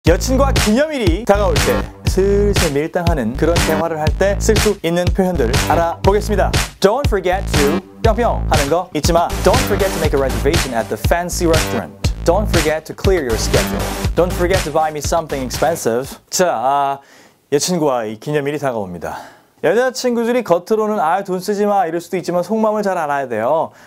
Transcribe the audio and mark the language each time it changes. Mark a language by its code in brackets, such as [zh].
[ko] 여친과 기념일이 다가올 때 슬슬 밀당하는 그런 대화를 할 때 쓸 수 있는 표현들을 알아보겠습니다. [en] Don't forget to [ko] 뿅뿅 하는 거 잊지 마. [en] Don't forget to make a reservation at the fancy restaurant. Don't forget to clear your schedule. Don't forget to buy me something expensive. [ko] 자, 여친과의 기념일이 다가옵니다. 여자친구들이 겉으로는 아, 돈 쓰지 마 이럴 수도 있지만 속마음을 잘 알아야 돼요.